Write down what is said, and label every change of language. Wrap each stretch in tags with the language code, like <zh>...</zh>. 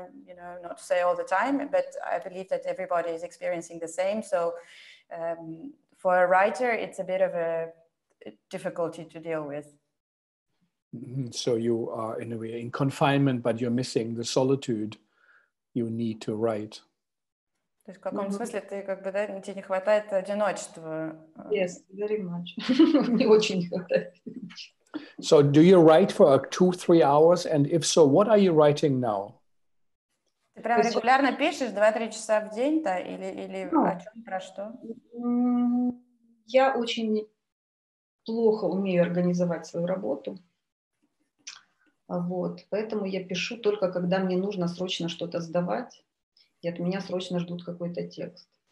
<en>You know, not to say all the time, but I believe that everybody is experiencing the same. So. For a writer, it's a bit of a difficulty to deal with. Mm-hmm. So you are in a way in confinement, but you're missing the solitude you need to write.</en> <ru>То есть в каком смысле ты как бы, да, тебе не хватает одиночества?</ru> <en>Yes, very much.</en> <ru>Мне очень не хватает.</ru> <en>So do you write for 2-3 hours? And if so, what are you writing now?</en> <ru>Ты прям регулярно пишешь 2-3 часа в день-то или о чем, про что? Я очень плохо умею организовать свою работу. Вот, поэтому я пишу только, когда мне нужно срочно что-то сдавать, и от меня срочно ждут какой-то текст.</ru>